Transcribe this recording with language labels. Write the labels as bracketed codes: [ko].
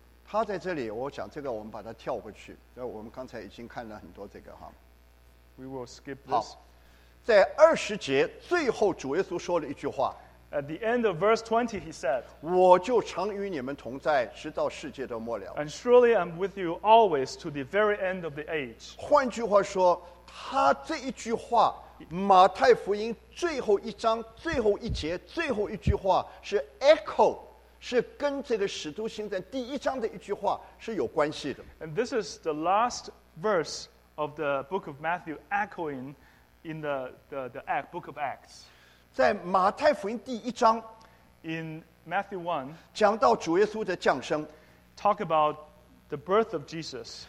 [zh] 他在这里, 我想这个我们把它跳过去。我们刚才已经看了很多这个。 [en] We will skip this. [zh] 在20节, 最后主耶稣说了一句话。 [en] At the end of verse 20, he said, [zh] 我就常与你们同在, 直到世界的末了。 [en] And surely I'm with you always to the very end of the age. [zh] 换句话说, 他这一句话, 马太福音最后一章, 最后一节, 最后一句话, 是 echo, 是跟这个使徒行传第一章的一句话, 是有关系的。 [en] And this is the last verse of the book of Matthew echoing in the book of Acts. [zh] 在马太福音第一章, [en] In Matthew 1, [zh] 讲到主耶稣的降生, [en] talk about the birth of Jesus.